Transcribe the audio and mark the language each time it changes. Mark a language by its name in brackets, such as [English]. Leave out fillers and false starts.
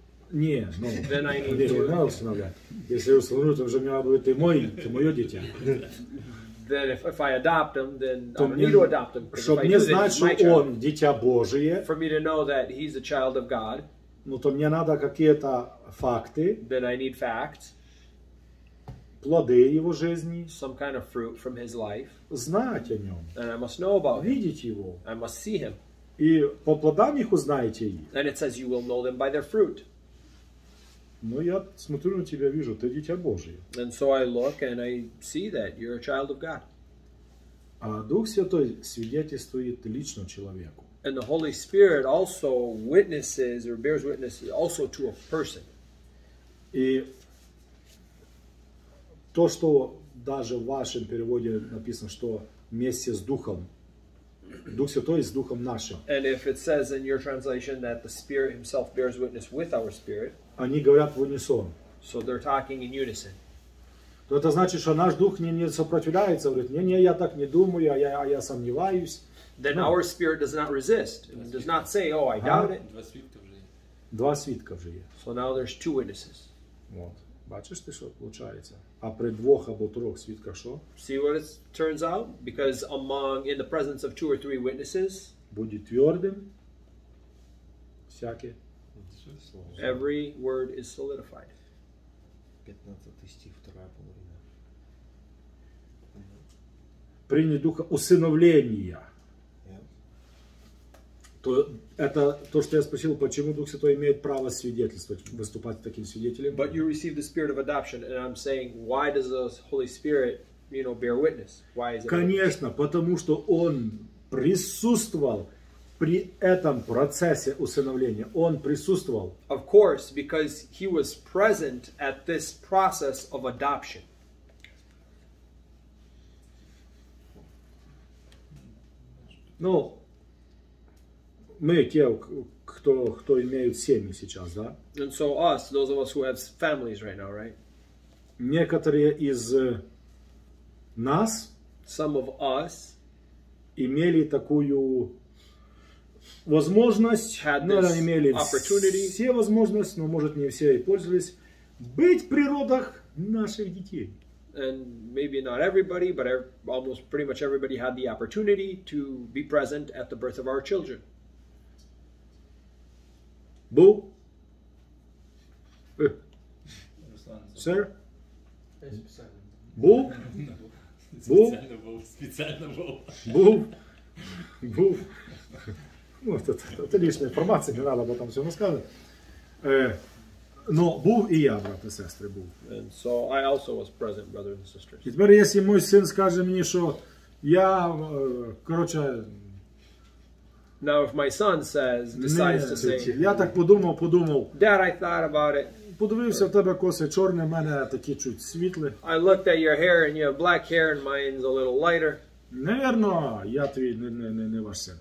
[Russian] Не, ну, мне не надо усыновлять. Если я усыновлю, то уже у меня будет ты мое дитя. [English] Then if I adopt him, then I need to adopt him. [Russian] Чтобы мне знать, что он дитя Божие. [English] For me to know that he's a child of God. [Russian] Ну, то мне надо какие-то факты. [English] Then I need facts. [Russian] Плоды его жизни. [English] Some kind of fruit from his life. [Russian] Знать о нем. [English] And I must know about him. [Russian] Видеть его. [English] I must see him. [Russian] И по плодам их узнаете. [English] And it says you will know them by their fruit. [Russian] Ну я смотрю на тебя, вижу, ты дитя Божие. [English] And so I look and I see that you're a child of God. [Russian] А Дух Святой свидетельствует лично человеку. [English] And the Holy Spirit also witnesses or bears witness also to a person. [Russian] И то, что даже в вашем переводе написано, что вместе с Духом. Дух Святой с Духом нашим. [English] And if it says in your translation that the Spirit himself bears witness with our spirit, [Russian] они говорят в унисон. [English] So they're talking in unison. [Russian] То это значит, что наш Дух не сопротивляется, говорит, не, я так не думаю, я сомневаюсь. [English] Then no. Our spirit does not resist, and does not say, oh, I doubt it. [Russian] Два свитка уже есть. Два свитка уже есть. [English] So now there's two witnesses. [Russian] Вот. [Ukrainian] Бачиш ти, що получається? А при двох або трьох свідках що? [English] See what it turns out? Because among, in the presence of two or three witnesses, [Ukrainian] буде твердим всяке слово. [English] Every word is solidified. [Russian] 15 стих, вторая половина. [Ukrainian] Прийняти духа усиновлення. [Russian] То это то, что я спросил, почему Дух Святой имеет право свидетельствовать, выступать таким свидетелем? [English] But you receive the spirit of adoption, and I'm saying, why does the Holy Spirit, you know, bear witness? Why is it? [Russian] Конечно, потому что он присутствовал при этом процессе усыновления. Он присутствовал. [English] Of course, because he was present at this process of adoption. [Russian] Ну, мы те, кто имеют семьи сейчас, да? [English] And so us, those of us who have families right now, right? [Russian] Некоторые из нас, [English] some of us, [Russian] имели такую возможность, [English] had this, [Russian] наверное, имели [English] opportunity, [Russian] все возможности, но может не все и пользовались, быть при родах наших детей. [English] And maybe not everybody, but almost pretty much everybody had the opportunity to be present at the birth of our children. [Russian] Был? Сэр? Был? Был? Специально был. Ну, это лишняя информация, не надо об этом всем рассказывать. Но был и я, брат и сестры, был. [English] And so I also was present, brother and sisters. [Russian] И теперь, если мой сын скажет мне, что я, короче... [English] Now, if my son says, decides to say, [Ukrainian] я так подумав, [English] Dad, I thought about it. [Ukrainian] Подивився в тебе коси чорні, в мене такі чуть світлі. [English] I looked at your hair and you have black hair and mine's a little lighter. [Ukrainian] Невірно, я твій не ваш син.